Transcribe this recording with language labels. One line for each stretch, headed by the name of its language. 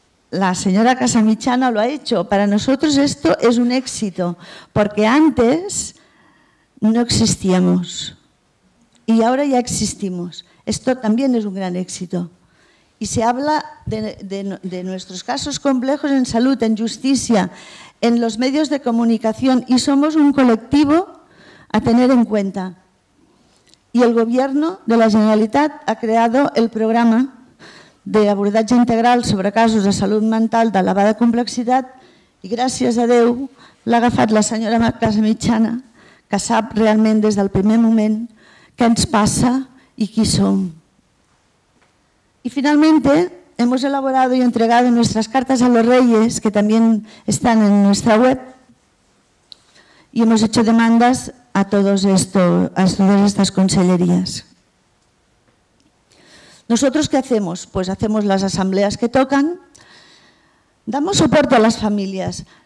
Spanish: La señora Casamitjana lo ha hecho. Para nosotros esto es un éxito, porque antes no existíamos. Y ahora ya existimos. Esto también es un gran éxito. Y se habla de nuestros casos complejos en salud, en justicia, en los medios de comunicación, y somos un colectivo a tener en cuenta. Y el Gobierno de la Generalitat ha creado el programa de
Catalan: abordatge integral sobre casos de salud mental de elevada complexitat, i gràcies a Déu l'ha agafat la senyora Casamitjana, que sap realment des del primer moment què ens passa i qui som. I finalment
Spanish: hemos elaborado y entregado nuestras cartas a los reyes, que también están en nuestra web, y hemos hecho demandas a todas estas consellerías. ¿Nosotros qué hacemos? Pues hacemos las asambleas que tocan, damos soporte a las familias.